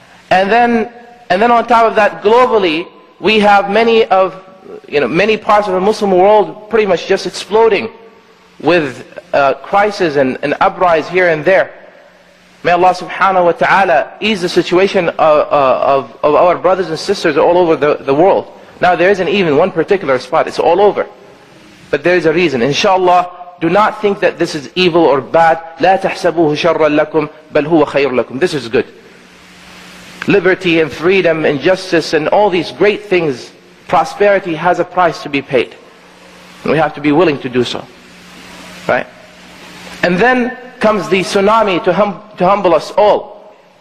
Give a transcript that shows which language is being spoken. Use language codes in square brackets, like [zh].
[en] And then on top of that, globally, we have many parts of the Muslim world pretty much just exploding with crisis and uprise here and there. May Allah subhanahu wa ta'ala ease the situation of our brothers and sisters all over the world. Now there isn't even one particular spot, it's all over. But there is a reason. Inshallah, do not think that this is evil or bad. [ar] لا تحسبوه شرا لكم بل هو خير لكم. [en] This is good. Liberty and freedom and justice and all these great things, prosperity has a price to be paid. And we have to be willing to do so. Right? And then comes the tsunami to humble us all.